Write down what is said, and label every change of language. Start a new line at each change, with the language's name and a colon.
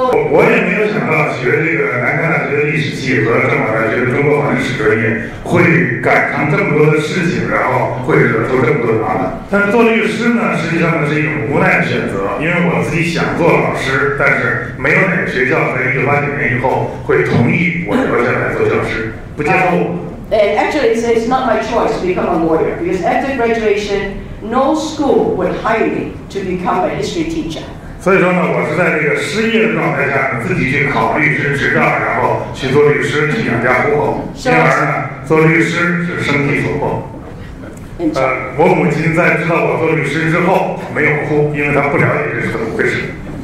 Chinese: 我也没有想到学这个南开大学的历史系和政法大学的中国法律史专业会赶上这么多的事情，然后会惹出这么多的麻烦。但做律师呢，实际上是一种无奈的选择，因为我自己想做老师，但是没有哪个学校在1989年以后会同意我留下来做教师，不接受我。
English: And actually, it's not my choice to become a lawyer because after graduation, no school would hire me to become a history teacher.
Chinese: 所以说呢，我是在这个失业的状态下自己去考律师执照，然后去做律师去养家糊口。第二呢，做律师是生计所迫。我母亲在知道我做律师之后没有哭，因为她不了解这是怎么回事。